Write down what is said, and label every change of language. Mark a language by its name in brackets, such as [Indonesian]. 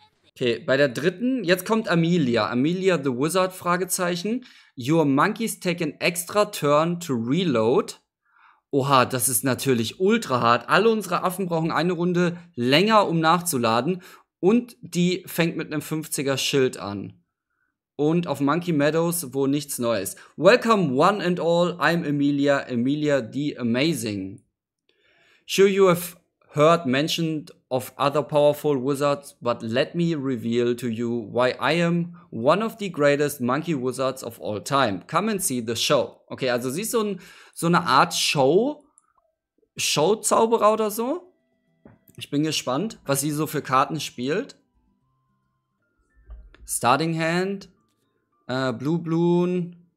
[German] Okay, bei der dritten, jetzt kommt Amelia. Amelia the Wizard, Fragezeichen. [English] Your monkeys take an extra turn to reload. [German] Oha, das ist natürlich ultra hart. Alle unsere Affen brauchen eine Runde länger, um nachzuladen. Und die fängt mit einem 50er Schild an. Und auf Monkey Meadows, wo nichts Neues. [English] Welcome one and all, I'm Amelia, Amelia the Amazing. Sure you have heard mentioned of other powerful wizards, but let me reveal to you why I am one of the greatest monkey wizards of all time. Come and see the show. [German] Okay, also sie ist so eine Art Show-Zauberer oder so. Ich bin gespannt, was sie so für Karten spielt. [English] Starting Hand. Blue Bloon.